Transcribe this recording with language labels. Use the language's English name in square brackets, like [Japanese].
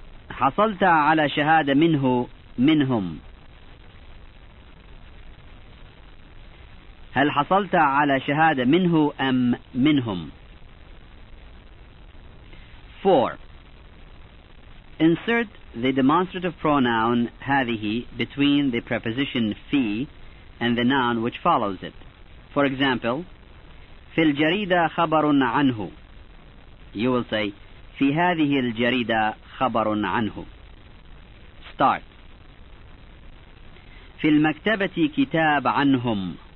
[Arabic] حصلت على شهادة منه منهم. هل حصلت على شهادة منه أم منهم? [English] 4. Insert the demonstrative pronoun هذه between the preposition في and the noun which follows it. For example, [Arabic] في الجريدة خبر عنه. [English] You will say, [Arabic] في هذه الجريدة خبر عنه. [English] Start. [Arabic] في المكتبة كتاب عنهم.